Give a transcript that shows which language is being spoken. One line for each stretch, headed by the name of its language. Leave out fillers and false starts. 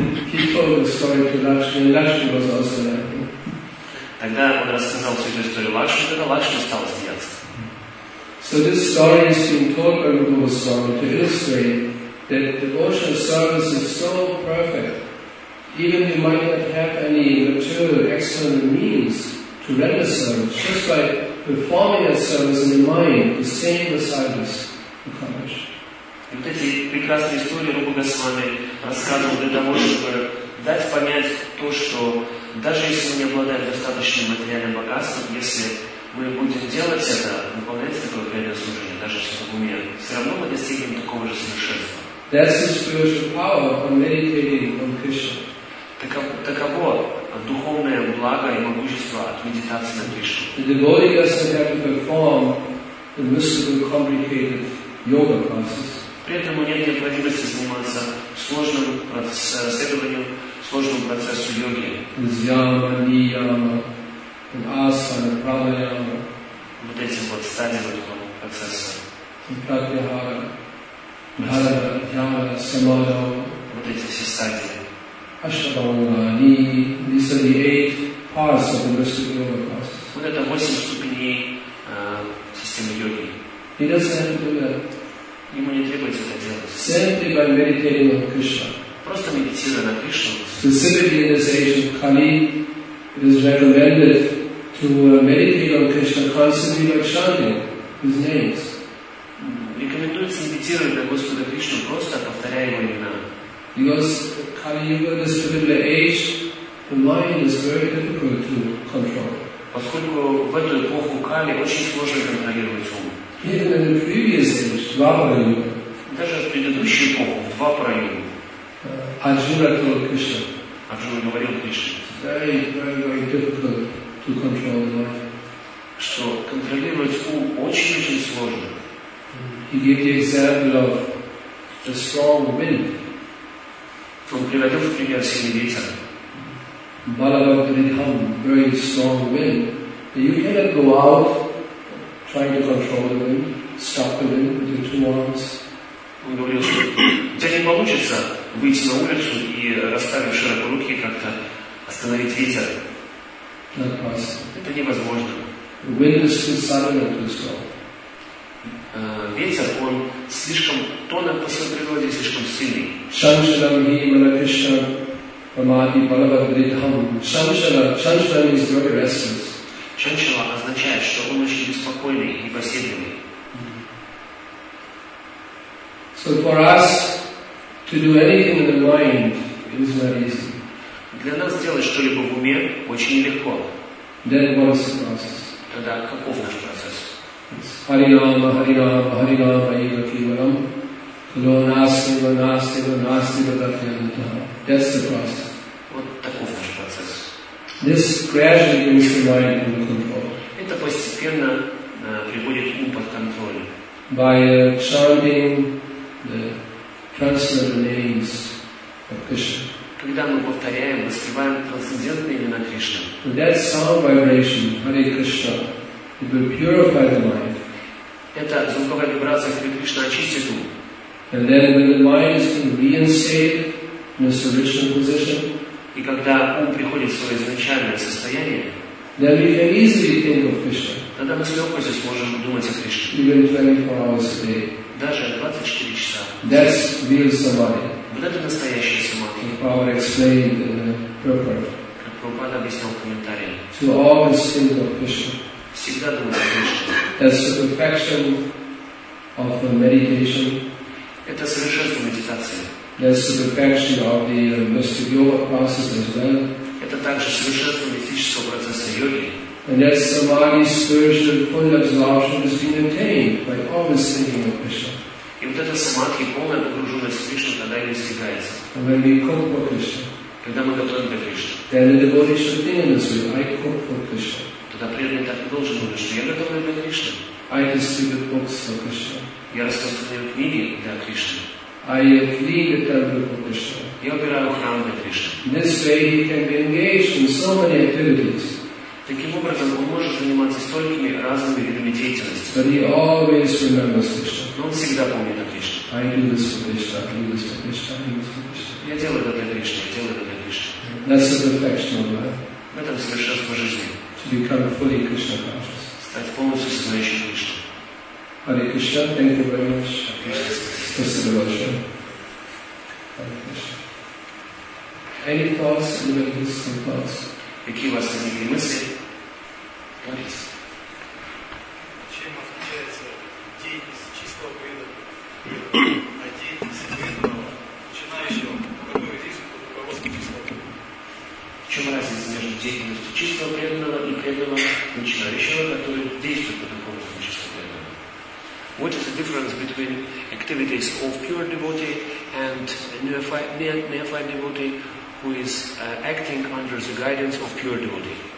English: He told the story to Lakshmi, and Lakshmi was also laughing.
Russian: Тогда он рассказал всю эту историю Лакшми, тогда Лакшми стал смеяться.
English: So this story is being told by Rupa Goswami to illustrate that devotional service is so perfect, even you might not have any material external means to render service, just by performing that service in mind, the same disciples accomplish.
Russian: И вот эти прекрасные истории Рупа Госвами рассказывал для того, чтобы дать понять то, что даже если мы не обладаем достаточным материальным богатством, если мы будем делать это, выполнять такое преданное служение, даже в своем уме, все равно мы достигнем такого же совершенства.
English: That's the spiritual power of meditating on Krishna.
Russian: Таково духовное благо и могущество от медитации на Кришну.
English: The devotee doesn't have to perform the mystical complicated yoga classes.
Russian: При этом у него нет необходимости заниматься сложным следованием, сложным процессу йоги.
Sanskrit: Дзьяма, ниама, and asana, pranayama.
Russian: Вот этим вот стадием этого процесса.
Sanskrit: Пратьяхара, дхарана, дхьяна, самадхи.
Russian: Вот эти все стадии.
English: Ашрамангани, these are the eight parts of the mystical yoga process.
Russian: Вот это восемь ступеней системы йоги.
English: He doesn't have to do that.
Russian: Ему не требуется это делать.
English: Simply by meditating on Krishna.
Russian: Просто медитируя на Кришну.
English: Specifically in this age of Kali, it is recommended to meditate on Krishna constantly by chanting his names.
Russian: Рекомендуется медитировать на Господа Кришну просто повторяя его имена.
English: Because Kali Yuga, this particular age, the mind is very difficult to control.
Russian: поскольку в эту эпоху Кали очень сложно контролировать ум. Даже в предыдущую эпоху в два проема. Арджуна говорил Кришне. Что контролировать ум очень-очень сложно.
English: He gave the example of the strong wind.
Russian: Он приводил в пример сильный ветер.
English: Balabhadridham, very strong wind. You cannot go out trying to control the wind, stop the wind with your two arms.
Russian: Он говорил, что у тебя не получится выйти на улицу и расставив широко руки как-то остановить ветер.
English: Not possible.
Russian: Это невозможно.
English: The wind is too sudden and too strong.
Russian: Ветер, он слишком тонок по своей природе, слишком сильный.
Sanskrit: Шамшалам ги Малакришна Памати Балабхадридхам.
English: Шамшалам is very restless.
Russian: Шамшалам означает, что он очень беспокойный и непоседливый.
English: So for us to do anything in the mind is very easy.
Russian: Для нас делать что-либо в уме очень легко.
English: Then what is the process?
Russian: Тогда каков наш процесс?
Sanskrit: Харинама, Харинама, Харинама, Ива Киварам. Но насти, но насти, но насти, но так я не знаю.
English: That's the process.
Russian: Вот таков наш процесс.
English: This gradually brings the mind under control.
Russian: Это постепенно приводит ум под контроль.
English: By chanting the transcendental names of Krishna.
Russian: Когда мы повторяем, воспеваем трансцендентные имена Кришны.
English: And that sound vibration, Hare Krishna, it will purify the mind.
Russian: Это звуковая вибрация, Hare Krishna, очистит ум.
English: And then when the mind is reinstated in its original position,
Russian: и когда ум приходит в свое изначальное состояние,
English: then we can easily think of Krishna.
Russian: Тогда мы с легкостью сможем думать о Кришне.
English: Even 24 hours a day.
Russian: Даже 24 часа.
English: That's real samadhi.
Russian: Вот это настоящее самадхи.
English: Prabhupada explained in the purport.
Russian: Как Прабхупада объяснил в комментарии.
English: To always think of Krishna.
Russian: Всегда думать о Кришне.
English: That's the perfection of the meditation.
Russian: Это совершенство медитации.
English: That's the perfection of the mystic yoga process as well.
Russian: Это также совершенство мистического процесса йоги.
English: And that samadhi spiritual full absorption has been attained by always thinking of Krishna.
Russian: И вот эта самадхи, полная погруженность в Кришну, тогда и достигается.
English: And when we cook for Krishna,
Russian: когда мы готовим для Кришны,
English: then the devotee should think in this way, I cook for Krishna.
Russian: Тогда преданный так и должен быть, что я готовлю для Кришны.
English: I distribute books for Krishna.
Russian: Я распространяю книги для Кришны.
English: I clean the temple for Krishna.
Russian: Я убираю храм для Кришны.
English: This way he can be engaged in so many activities.
Russian: Таким образом, он может заниматься столькими разными видами деятельности.
English: But he always remembers Krishna.
Russian: Но он всегда помнит о Кришне.
English: I do this for Krishna, I do this for Krishna, I do this for Krishna.
Russian: Я делаю это для Кришны, я делаю это для Кришны.
English: That's the perfection of life.
Russian: В этом совершенство жизни.
English: To become fully Krishna conscious.
Russian: Стать полностью сознающим Кришны.
English: Hare Krishna, thank you very much. Hare Krishna.
Russian: Спасибо большое.
English: Hare Krishna. Any thoughts, even his thoughts?
Russian: Какие у вас возникли мысли? Чем отличается деятельность чистого преданного от деятельности преданного начинающего? Какой риск от руководства чистого? В чем разница между деятельностью чистого преданного и преданного начинающего, который действует под руководством чистого преданного?
English: What is the difference between activities of pure devotee and neophyte devotee who is acting under the guidance of pure devotee?